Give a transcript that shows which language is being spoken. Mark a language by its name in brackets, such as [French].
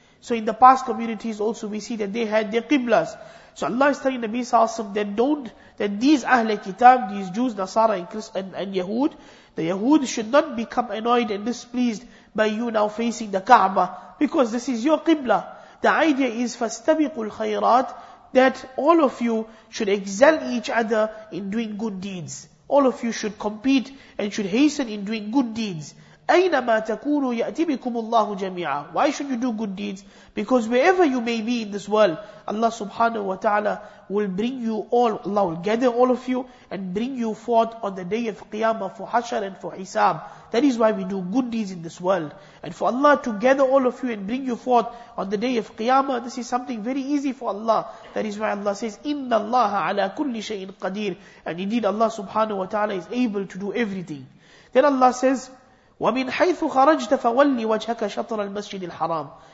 [English] So in the past communities also we see that they had their qiblas. So Allah is telling Nabi sallallahu alayhi wa sallam that these Ahl al-Kitab, these Jews, Nasara and Yahud, the Yahud should not become annoyed and displeased by you now facing the Kaaba, because this is your Qibla. The idea is [Arabic] فَاسْتَبِقُوا الْخَيْرَاتِ, [English] that all of you should excel each other in doing good deeds. All of you should compete and should hasten in doing good deeds. [Arabic] أينما تكونوا يأتي بكم الله جميعا. [English] Why should you do good deeds? Because wherever you may be in this world, Allah subhanahu wa ta'ala will bring you all, Allah will gather all of you and bring you forth on the day of Qiyamah for Hashar and for Hisab. That is why we do good deeds in this world. And for Allah to gather all of you and bring you forth on the day of Qiyamah, this is something very easy for Allah. That is why Allah says, [Arabic] إِنَّ اللَّهَ عَلَى كُلِّ شَيْءٍ قَدِيرٍ. [English] And indeed Allah subhanahu wa ta'ala is able to do everything. Then Allah says, [Arabic] وَمِنْ حَيْثُ خَرَجْتَ فَوَلِّ وَجْهَكَ شَطْرَ الْمَسْجِدِ الْحَرَامِ.